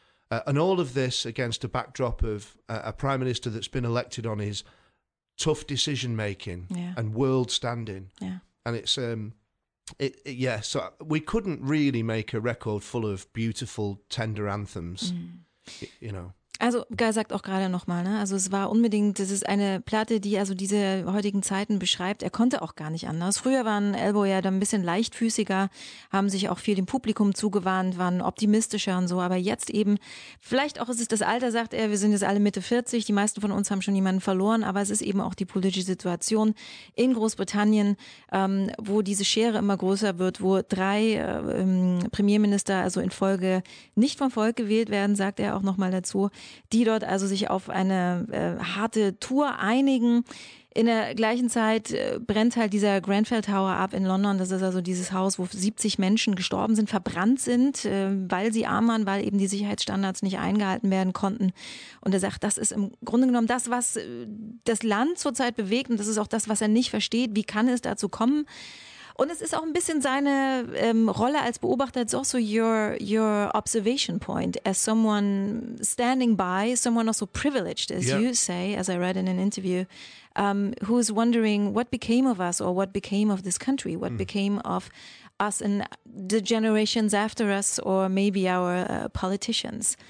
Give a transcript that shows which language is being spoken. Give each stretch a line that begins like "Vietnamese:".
English: And all of this against a backdrop of a prime minister that's been elected on his tough decision making yeah. and world standing. Yeah. And it's, so we couldn't really make a record full of beautiful, tender anthems. Mm-hmm. You know.
German: Also, Guy sagt auch gerade nochmal, ne? Also es war unbedingt, das ist eine Platte, die also diese heutigen Zeiten beschreibt. Er konnte auch gar nicht anders. Früher waren Elbow ja dann ein bisschen leichtfüßiger, haben sich auch viel dem Publikum zugewandt, waren optimistischer und so. Aber jetzt eben, vielleicht auch ist es das Alter, sagt er, wir sind jetzt alle Mitte 40, die meisten von uns haben schon jemanden verloren. Aber es ist eben auch die politische Situation in Großbritannien, wo diese Schere immer größer wird, wo drei Premierminister also in Folge nicht vom Volk gewählt werden, sagt er auch nochmal dazu. Die dort also sich auf eine harte Tour einigen. In der gleichen Zeit brennt halt dieser Grenfell Tower ab in London. Das ist also dieses Haus, wo 70 Menschen gestorben sind, verbrannt sind, weil sie arm waren, weil eben die Sicherheitsstandards nicht eingehalten werden konnten. Und er sagt, das ist im Grunde genommen das, was das Land zurzeit bewegt. Und das ist auch das, was er nicht versteht. Wie kann es dazu kommen? Und es ist auch ein bisschen seine Rolle als Beobachter.
English: It's also your observation point as someone standing by, someone also privileged, as yeah. you say, as I read in an interview, who is wondering what became of us or what became of this country, what became of us and the generations after us, or maybe our politicians.